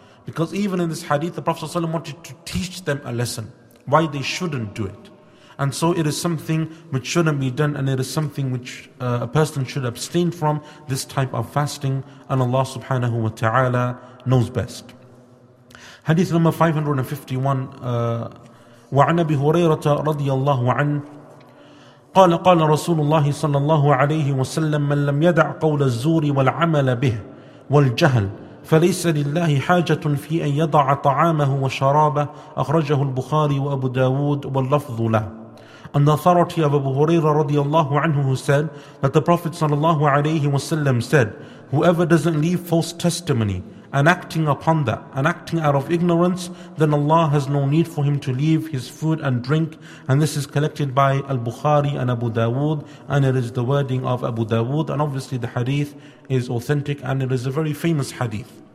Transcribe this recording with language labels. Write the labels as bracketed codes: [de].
[en] Because even in this hadith, the Prophet ﷺ wanted to teach them a lesson, why they shouldn't do it. And so it is something which shouldn't be done, and it is something which a person should abstain from, this type of fasting, and Allah subhanahu wa ta'ala knows best. Hadith number 551, [ar] وعن أبي هريرة رضي الله عنه قال قال رسول الله صلى الله عليه وسلم من لم يدع قول الزور والعمل به والجهل فليس لله حاجة في أن يضع طعامه وشرابه أخرجه البخاري وأبو داود واللفظ له. [en] And the authority of Abu Huraira radiallahu anhu, who said that the Prophet sallallahu alayhi wasallam said, whoever doesn't leave false testimony and acting upon that and acting out of ignorance, then Allah has no need for him to leave his food and drink. And this is collected by Al-Bukhari and Abu Dawood, and it is the wording of Abu Dawood, and obviously the hadith is authentic and it is a very famous hadith.